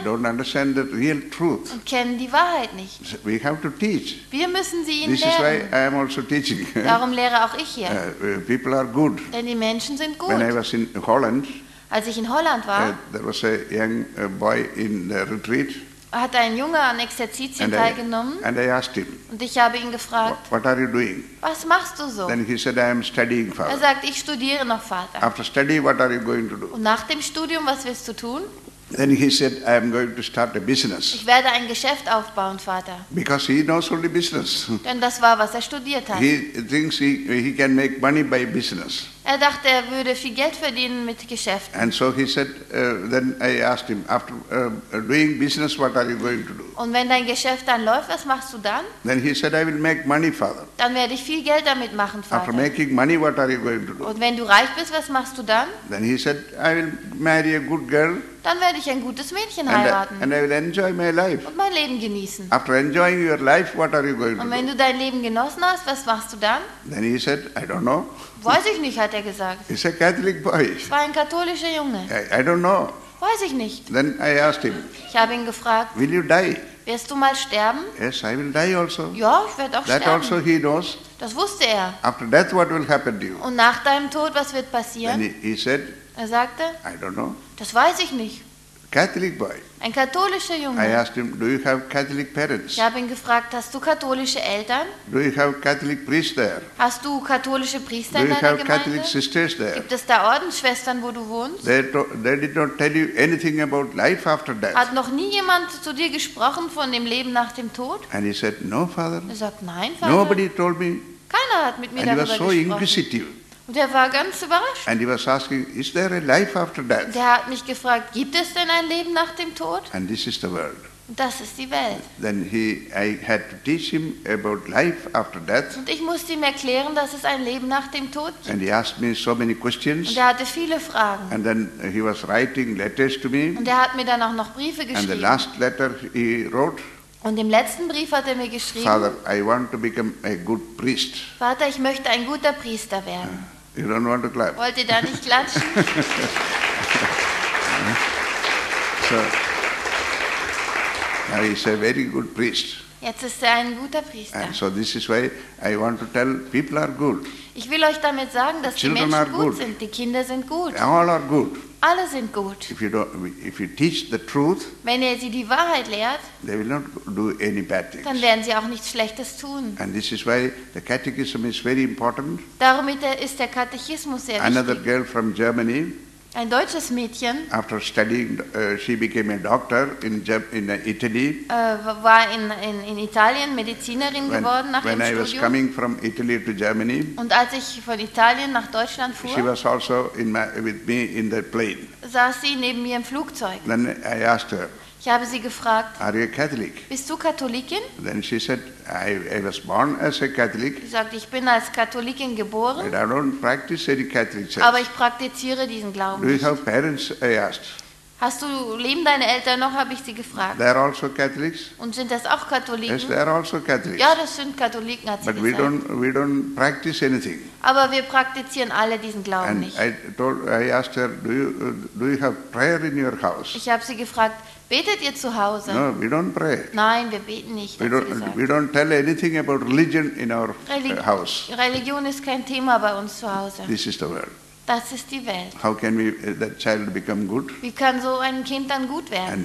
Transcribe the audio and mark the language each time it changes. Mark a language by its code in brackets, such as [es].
[en] They don't understand the real truth. [de] Und kennen die Wahrheit nicht. [en] So we have to teach. [de] Wir müssen sie ihnen [en] this [de] lehren. [en] Is why I am also teaching. [de] Darum lehre auch ich hier. [en] People are good. [de] Denn die Menschen sind gut. [en] When I was in Holland, [de] als ich in Holland war, [en] there was a young boy in the retreat. [de] Hat ein Junge an Exerzitien teilgenommen und ich habe ihn gefragt, [en] what are you doing? [de] Was machst du so? [en] Then he said, I am studying, Father. [de] Er sagt, ich studiere noch, Vater. [en] After study, what are you going to do? [de] Und nach dem Studium, was willst du tun? [en] Then he said, I am going to start a business. [de] Ich werde ein Geschäft aufbauen, Vater. [en] Because he knows only business. [de] Denn das war, was er studiert hat. [en] He thinks he can make money by business. [de] Er dachte, er würde viel Geld verdienen mit Geschäften. [en] And so he said, then I asked him, after doing business, what are you going to do? [de] Und wenn dein Geschäft dann läuft, was machst du dann? [en] Then he said, I will make money, Father. [de] Dann werde ich viel Geld damit machen, Vater. [en] After making money, what are you going to do? [de] Und wenn du reich bist, was machst du dann? [en] Then he said, I will marry a good girl. [de] Dann werde ich ein gutes Mädchen heiraten. [en] And I will enjoy my life. [de] Und mein Leben genießen. [en] After enjoying your life, what are you going to do? [de] Und wenn du dein Leben genossen hast, was machst du dann? [en] Then he said, I don't know. [de] Weiß ich nicht, hat er gesagt. [en] He's a Catholic boy. [de] Es war ein katholischer Junge. [en] I don't know. [de] Weiß ich nicht. [en] Then I asked him. [de] Ich habe ihn gefragt. [en] Will you die? [de] Wirst du mal sterben? [en] Yes, I will die also. [de] Ja, ich werde auch [en] that [de] sterben. [en] Also he knows. [de] Das wusste er. [en] After death, what will happen to you? [de] Und nach deinem Tod, was wird passieren? [en] Then he said, [de] er sagte, [en] I don't know. [de] Das weiß ich nicht. [en] Catholic boy. [de] Ein katholischer Junge. [en] I asked him, do you have Catholic parents? [de] Ich habe ihn gefragt, hast du katholische Eltern? [en] Do you have Catholic priests there? [de] Hast du katholische Priester [en] do you [de] in deiner [en] have [de] Gemeinde? [en] Catholic sisters there? [de] Gibt es da Ordensschwestern, wo du wohnst? [en] They did not tell you anything about life after death. [de] Hat noch nie jemand zu dir gesprochen von dem Leben nach dem Tod? [en] And he said, no, Father. [de] Er sagt, nein, Vater. [en] Nobody told me. [de] Keiner hat mit mir [en] and [de] darüber [en] he was so [de] gesprochen. [en] Inquisitive. [de] Und er war ganz überrascht. [en] And he was asking, is there a life after death? [de] Der hat mich gefragt, gibt es denn ein Leben nach dem Tod? [en] And this is the world. [de] Das ist die Welt. [en] Then I had to teach him about life after death. [de] Und ich musste ihm erklären, dass es ein Leben nach dem Tod gibt. [en] And he asked me so many questions. [de] Und er hatte viele Fragen. [en] And then he was writing letters to me. [de] Und er hat mir dann auch noch Briefe geschrieben. [en] And the last letter he wrote. [de] Und im letzten Brief hat er mir geschrieben, [en] Father, I want to become a good priest. [de] Vater, ich möchte ein guter Priester werden. [en] You don't want to clap. [de] Wollt ihr da nicht klatschen? [en] So, now he's a very good priest. [de] Jetzt ist er ein guter Priester. [en] And so this is why I want to tell people are good. [de] Ich will euch damit sagen, dass [en] children [de] die Menschen gut [en] good. [de] Sind. Die Kinder sind gut. [en] All are good. [de] Alle sind gut. [en] If you teach the truth, [de] wenn ihr sie die Wahrheit lehrt, [en] they will not do any bad things. [de] Dann werden sie auch nichts Schlechtes tun. [en] And this is why the catechism is very important. [de] Darum ist der Katechismus sehr wichtig. [en] Another girl from Germany, [de] ein deutsches Mädchen, [en] after studying, she became a doctor in Italy. [de] War in Italien Medizinerin geworden nach dem [en] When I was coming from Italy to Germany, [de] und als ich von Italien nach Deutschland fuhr, [en] she was also with me in the plane. [de] Saß sie neben mir im Flugzeug. [en] Then I asked her, [de] ich habe sie gefragt, [en] are you a Catholic? [de] Bist du Katholikin? [en] Then she said, I was born as a Catholic. [de] Sie sagt, ich bin als Katholikin geboren. [en] But I don't practice any Catholic church. [de] Aber ich praktiziere diesen Glauben nicht. [en] Do you have parents? I asked. [de] Hast du leben deine Eltern noch, habe ich sie gefragt. [en] They are also Catholics. [de] Und sind das auch Katholiken? [en] Yes, they are also Catholics. [de] Ja, das sind Katholiken, hat sie [en] But [de] gesagt. [en] We don't practice anything. [de] Aber wir praktizieren alle diesen Glauben nicht. Ich habe sie gefragt, betet ihr zu Hause? [en] No, we don't pray. [de] Nein, wir beten nicht. [en] We don't tell anything about religion in our house. [de] Religion ist kein Thema bei uns zu Hause. [en] This is the world. [de] Das ist die Welt. [en] How can we that child become good? [de] Wie kann so ein Kind dann gut werden?